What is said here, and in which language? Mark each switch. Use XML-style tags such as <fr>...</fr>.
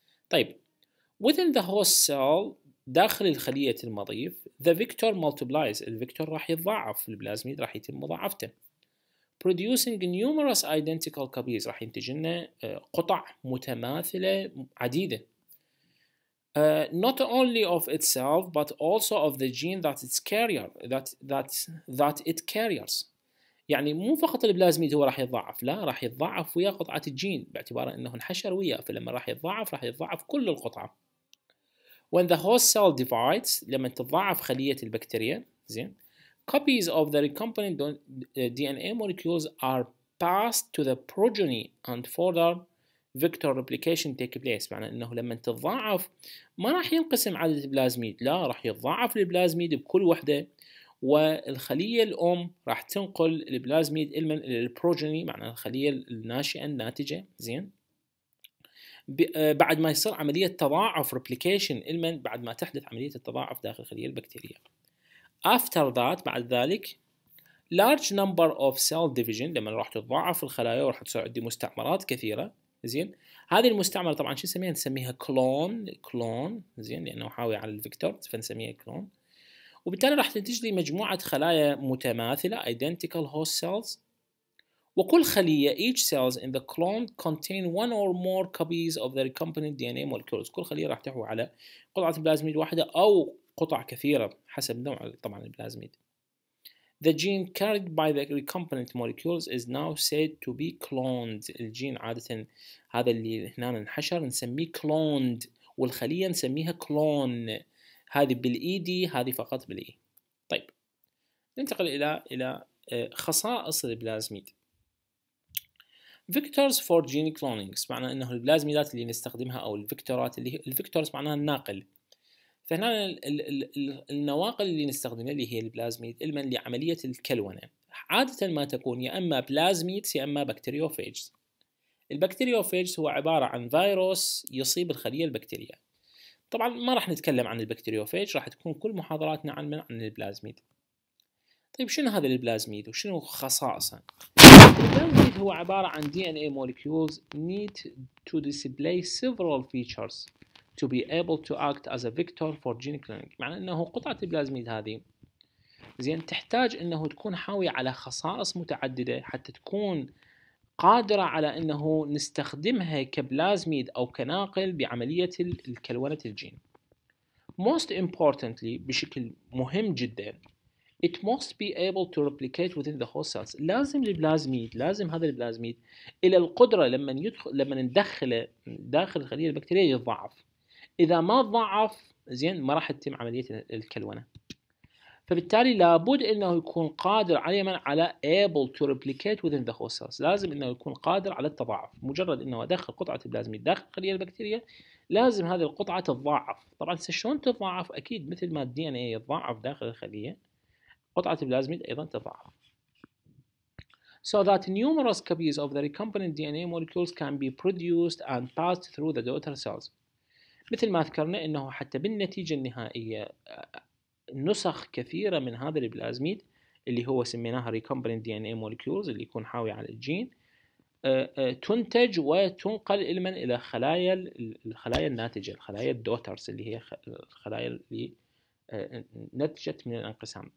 <ar>طيب</ar> <en>within the host cell</en> <ar>داخل الخليه المضيف</ar> <en>the vector multiplies،</en> <ar>الفيكتور راح يتضاعف، البلازميد راح يتم مضاعفته.</ar> <en>producing numerous identical copies</en> <ar>راح ينتج لنا قطع متماثلة عديدة.</ar> <en>Not only of itself but also of the gene that it's carrier that it carriers.</en> <ar>يعني مو فقط البلازميد هو راح يتضاعف، لا راح يتضاعف ويا قطعة الجين باعتبار انه انحشر وياه، فلما راح يتضاعف راح يتضاعف كل القطعة.</ar> <en>When the host cell divides</en> <ar>لما تتضاعف خلية البكتيريا زين،</ar> <en>copies of the recombinant DNA molecules are passed to the progeny and further vector replication take place.</en> <ar>معنى انه لما تتضاعف ما راح ينقسم عدد البلازميد، لا راح يتضاعف البلازميد بكل وحده، والخليه الام راح تنقل البلازميد الى البروجيني، معنى الخليه الناشئه الناتجه زين، بعد ما يصير عمليه تضاعف replication الى بعد ما تحدث عمليه التضاعف داخل الخليه البكتيريا.</ar> <en>After that</en> <ar>بعد ذلك</ar> <en>large number of cell division</en> <ar>لما راح تتضاعف الخلايا وراح تصير عندي مستعمرات كثيره زين، هذه المستعمره طبعا شو نسميها؟ نسميها كلون، كلون زين لانه حاوي على الفيكتور فنسميها كلون، وبالتالي راح تنتج لي مجموعه خلايا متماثله</ar> <en>identical host cells،</en> <ar>وكل خليه</ar> <en>each cells in the clone contain one or more copies of the recombinant DNA molecules،</en> <ar>كل خليه راح تحوي على قطعه بلازميد واحده او قطع كثيرة حسب نوع طبعا البلازميد.</ar> <en>The gene carried by the recombinant molecules is now said to be cloned.</en> <ar>الجين عادة هذا اللي هنا انحشر نسميه cloned، والخلية نسميها clone. هذه بالاي دي، هذه فقط بالاي. طيب ننتقل الى خصائص البلازميد.</ar> <en>Vectors for gene cloning</en> <ar>معنى انه البلازميدات اللي نستخدمها او الفيكتورات اللي الفيكتورز معناها الناقل. فهنا النواقل اللي نستخدمها اللي هي البلازميد المن لعملية الكلونة عادة ما تكون يا أما بلازميد يا أما بكتيريوفيج. البكتيريوفيج هو عبارة عن فيروس يصيب الخلية البكتيرية. طبعا ما راح نتكلم عن البكتيريوفيج، راح تكون كل محاضراتنا عن من عن البلازميد. طيب شنو هذا البلازميد وشنو خصائصه؟ البلازميد هو عبارة عن</ar> <en>DNA molecules need to display several features to be able to act as a vector for gene cloning.</en> <ar>معنى انه قطعة البلازميد هذه زين تحتاج انه تكون حاوية على خصائص متعددة حتى تكون قادرة على انه نستخدمها كبلازميد او كناقل بعملية الكلونة الجين.</ar> <en>Most importantly</en> <ar>بشكل مهم جدا</ar> <en>it must be able to replicate within the host cells.</en> <ar>لازم البلازميد، لازم هذا البلازميد الى القدرة لما يدخل لما ندخله داخل الخلية البكتيرية يتضاعف. إذا ما ضعف زين ما راح تتم عملية الكلونة. فبالتالي لابد انه يكون قادر على من على</ar> <en>able to replicate within the host cells،</en> <ar>لازم انه يكون قادر على التضاعف، مجرد انه ادخل قطعة البلازميد داخل الخلية البكتيرية لازم هذه القطعة تتضاعف. طبعا شلون تتضاعف؟ اكيد مثل ما الدي ان اي يتضاعف داخل الخلية قطعة البلازميد ايضا تتضاعف.</ar> <en>So that numerous copies of the recombinant DNA molecules can be produced and passed through the daughter cells.</en> <ar>مثل ما ذكرنا انه حتى بالنتيجه النهائيه نسخ كثيره من هذا البلازميد اللي هو سميناها</ar> <en>recombinant DNA molecules</en> <ar>اللي يكون حاوي على الجين تنتج وتنقل المن الى خلايا الناتجه، الخلايا الدوترز اللي هي الخلايا اللي نتجت من الانقسام.</ar>